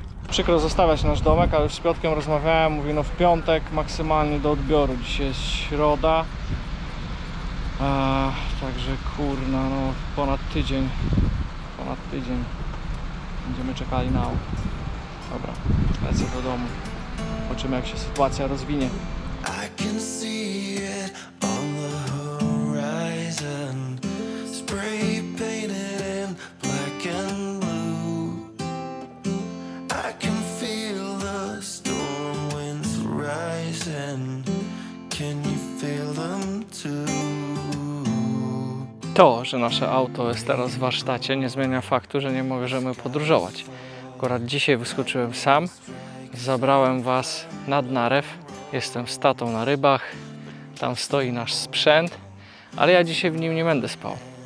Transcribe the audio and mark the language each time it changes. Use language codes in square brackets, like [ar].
[pl] Przykro zostawiać nasz domek, ale z Piotkiem rozmawiałem. Mówi, no w piątek maksymalnie do odbioru. Dzisiaj jest środa. Także kurna, no ponad tydzień będziemy czekali na auto. Dobra, lecę do domu. Zobaczymy, jak się sytuacja rozwinie. [en] I can see it on the horizon. Spray painted in black and blue. I can feel the storm winds rising. Can you feel them too? [pl] To, że nasze auto jest teraz w warsztacie, nie zmienia faktu, że nie możemy podróżować. Akurat dzisiaj wyskoczyłem sam, zabrałem was nad Narew. Jestem z tatą na rybach, tam stoi nasz sprzęt, ale ja dzisiaj w nim nie będę spał.